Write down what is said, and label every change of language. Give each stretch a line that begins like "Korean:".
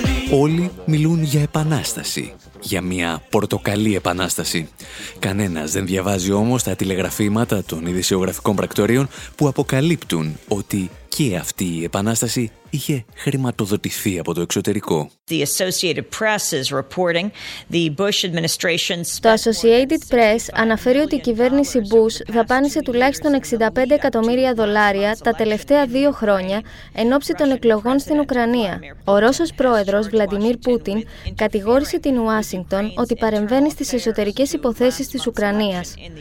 Greek: Όλοι μιλούν για επανάσταση, για μια πορτοκαλί επανάσταση. Κανένας δεν διαβάζει όμως τα τηλεγραφήματα των ειδησιογραφικών πρακτορείων που αποκαλύπτουν ότι και αυτή η επανάσταση είχε χρηματοδοτηθεί από το εξωτερικό.
English: The Associated Press is reporting the Bush administration...
Greek: Το Associated Press αναφέρει ότι η κυβέρνηση Bush δαπάνησε τουλάχιστον 65 εκατομμύρια δολάρια τα τελευταία 2 χρόνια εν ώψη των εκλογών στην Ουκρανία. Ο Ρώσος πρόεδρος Βλαντιμίρ Πούτιν κατηγόρησε την Ουάσιγκτον ότι παρεμβαίνει στις εσωτερικές υποθέσεις της Ουκρανίας.